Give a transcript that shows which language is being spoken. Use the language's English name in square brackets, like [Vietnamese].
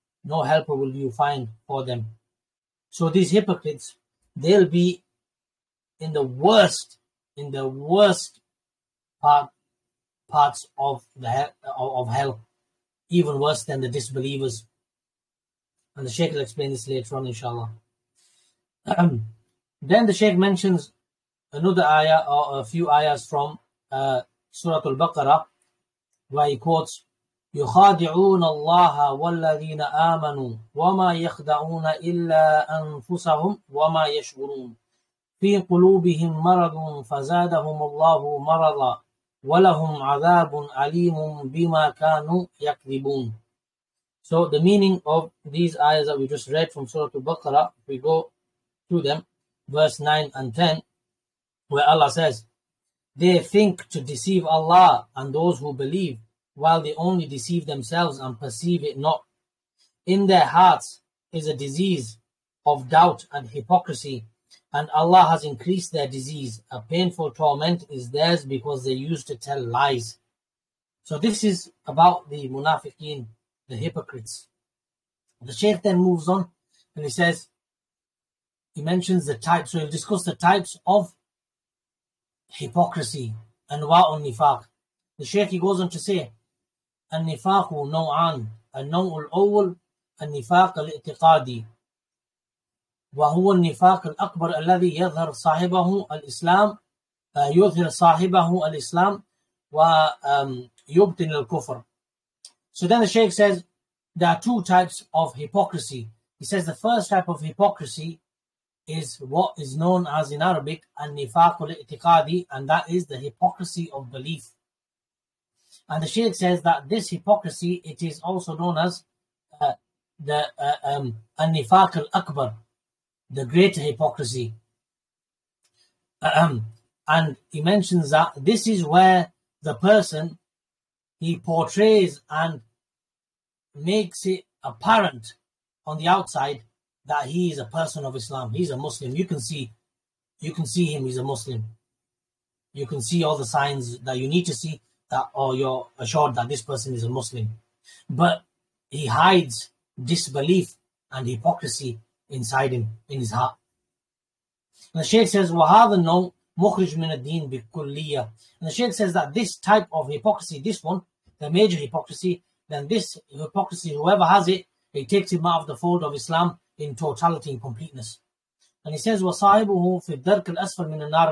[English] No helper will you find for them. So these hypocrites, they'll be in the worst, in the worst parts of the hell, even worse than the disbelievers. And the Shaykh will explain this later on, inshallah. Then the Shaykh mentions another ayah, or a few ayahs from Surah Al-Baqarah, where he quotes, [Arabic] يُخَادِعُونَ اللَّهَ وَالَّذِينَ آمَنُوا وَمَا يَخْدَعُونَ إِلَّا أَنفُسَهُمْ وَمَا يَشْعُرُونَ فِي قُلُوبِهِمْ مَرَضٌ فَزَادَهُمُ اللَّهُ مَرَضًا وَلَهُمْ عَذَابٌ عَلِيمٌ بِمَا كَانُوا يَكْذِبُونَ. [English] So the meaning of these ayahs that we just read from Surah Al-Baqarah, if we go to them, verse 9 and 10, where Allah says, they think to deceive Allah and those who believe, while they only deceive themselves and perceive it not. In their hearts is a disease of doubt and hypocrisy, and Allah has increased their disease. A painful torment is theirs because they used to tell lies. So this is about the munafiqeen, the hypocrites. The Shaykh then moves on and he mentions the types. So he'll discuss the types of hypocrisy, and wa al nifaq. The Shaykh, he goes on to say, [Arabic] al nifaqu naw'an, al naw' al awwal al nifaq al i'tiqadi. وهو النفاق الأكبر الذي يظهر صاحبه الإسلام يظهر صاحبه الإسلام ويبطن الكفر. [English] So then the Shaykh says there are two types of hypocrisy. He says the first type of hypocrisy is what is known as in Arabic [Arabic] النفاق الاعتقادي, [English] and that is the hypocrisy of belief. And the Shaykh says that this hypocrisy, it is also known as [Arabic] النفاق الأكبر, [English] the greater hypocrisy. And he mentions that this is where the person, he portrays and makes it apparent on the outside that he is a person of Islam. He's a Muslim. You can see him, he's a Muslim. You can see all the signs that you need to see that, or you're assured that this person is a Muslim. But he hides disbelief and hypocrisy inside him, in his heart. And the Shaykh says, [Arabic] وَهَذَا النَّوْءُ مُخْرِجٌ مِنَ الدِّينِ بِكُلِّيَّةٍ. [English] And the Shaykh says that this type of hypocrisy, this one, the major hypocrisy, then this hypocrisy, whoever has it, it takes him out of the fold of Islam in totality and completeness. And he says, [Arabic] وَصَاحِبُهُ فِي الدَّرْكِ الْأَسْفَلِ مِنَ النَّارِ.